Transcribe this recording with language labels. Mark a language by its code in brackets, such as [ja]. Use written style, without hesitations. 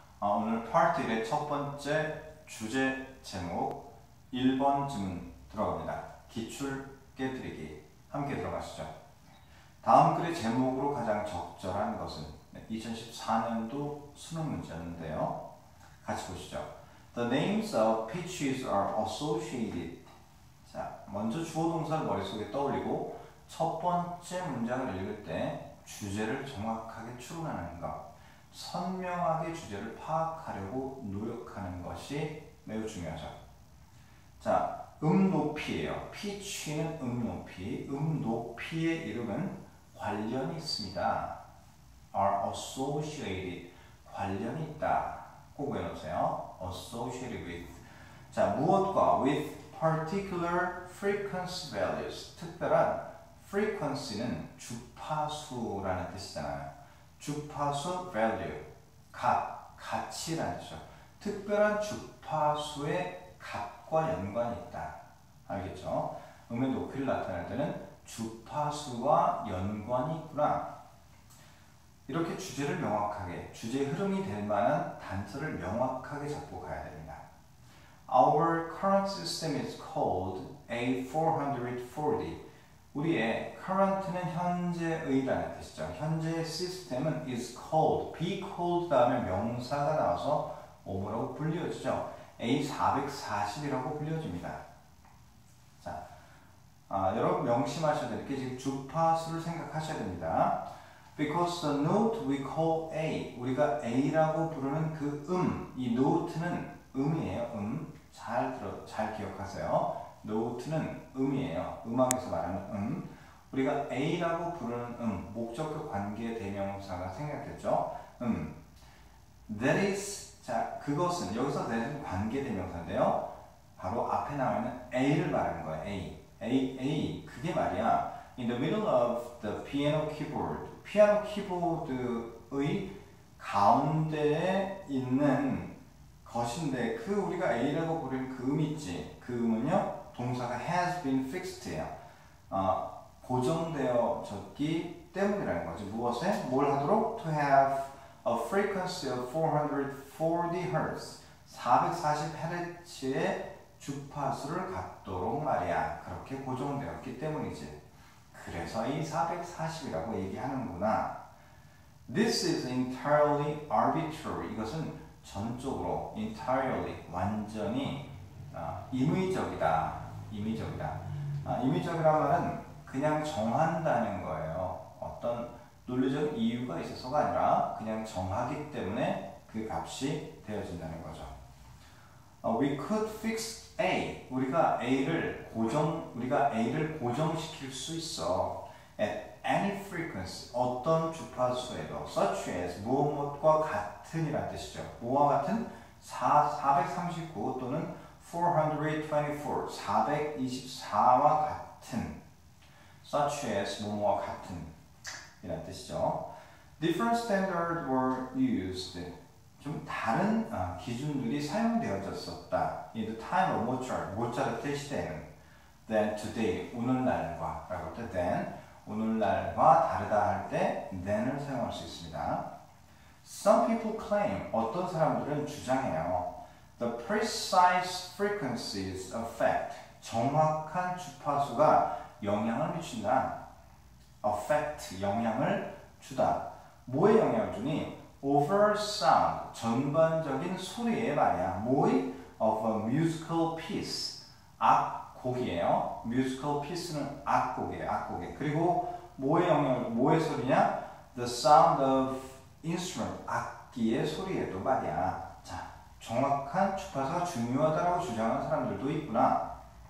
[ko] 오늘 파트 1의 첫 번째 주제 제목 1번 질문 들어갑니다. 기출 깨트리기 함께 들어가시죠. 다음 글의 제목으로 가장 적절한 것은 2014년도 수능 문제였는데요. 같이 보시죠. [en] The names of peaches are associated. [ko] 자, 먼저 주어 동사를 머릿속에 떠올리고 첫 번째 문장을 읽을 때 주제를 정확하게 추론하는 것. 선명하게 주제를 파악하려고 노력하는 것이 매우 중요하죠. 자, 음높이에요. 피치는 음높이, 음높이의 이름은 관련이 있습니다. [en] are associated, [ko] 관련이 있다. 꼭 외우세요. [en] associated with. [ko] 자, 무엇과 [en] with particular frequency values. [ko] 특별한 frequency는 주파수라는 뜻이잖아요. 주파수 value. 가치라는 뜻이죠. 특별한 주파수의 값과 연관이 있다. 알겠죠? 음의 높이를 나타낼 때는 주파수와 연관이 있구나. 이렇게 주제를 명확하게, 주제 흐름이 될 만한 단서를 명확하게 잡고 가야 됩니다. [en] Our current system is called A440. [ko] 우리의 current는 현재의라는 뜻이죠. 현재의 시스템은 [en] is called, be called [ko] 다음에 명사가 나와서 뭐뭐라고 불려지죠. A440이라고 불려집니다. 여러분 명심하셔야 될게 지금 주파수를 생각하셔야 됩니다. [en] Because the note we call A, [ko] 우리가 A라고 부르는 그 이 note는 음이에요. 잘 기억하세요. 노트는 음이에요. 음악에서 말하는 우리가 A라고 부르는 목적격 관계 대명사가 생각했죠. [en] That is, [ko] 자, 그것은, 여기서 that은 관계 대명사인데요. 바로 앞에 나오는 A를 말하는 거예요. A. 그게 말이야. [en] In the middle of the piano keyboard. [ko] 피아노 키보드의 가운데에 있는 것인데, 그 우리가 A라고 부르는 그 있지. 그 음은요. 동사가 [en] has been fixed [ko] 예요. 고정되어 졌기 때문이라는 거지. 무엇에? 뭘 하도록? [en] To have a frequency of 440Hz. [ko] 440Hz의 주파수를 갖도록 말이야. 그렇게 고정되었기 때문이지. 그래서 이 440이라고 얘기하는구나. [en] This is entirely arbitrary. [ko] 이것은 전적으로 entirely, 완전히 임의적이다. 임의적이다. 임의적이라는 말은 그냥 정한다는 거예요. 어떤 논리적 이유가 있어서가 아니라 그냥 정하기 때문에 그 값이 되어진다는 거죠. [en] We could fix A. [ko] 우리가 A를 고정시킬 수 있어. [en] At any frequency. [ko] 어떤 주파수에도. [en] Such as. [ko] 무엇과 같은이란 뜻이죠. 뭐와 같은? 439 또는 424, 424와 같은, [en] such as [ko] 뭐뭐와 같은 이런 뜻이죠. [en] Different standards were used. [ko] 좀 다른 기준들이 사용되어졌었다. [en] In the time of Mozart, [ko] 모차르트 시대에는 [en] than today, [ko] 오늘날과라고 할때 than 오늘날과 다르다 할때 than을 사용할 수 있습니다. [en] Some people claim [ko] 어떤 사람들은 주장해요. [en] The precise frequencies affect [ko] 정확한 주파수가 영향을 미친다. affect 영향을 주다. 뭐에 영향을 주니? [en] over sound [ko] 전반적인 소리에 말이야. 뭐이? [en] of a musical piece [ko] 악곡이에요. musical piece는 악곡이에요. 악곡에. 그리고 뭐에 영향을 뭐의 소리냐? [en] the sound of instrument [ko] 악기의 소리에도 말이야. 정확한 주파수가 중요하다고 주장하는 사람들도 있구나.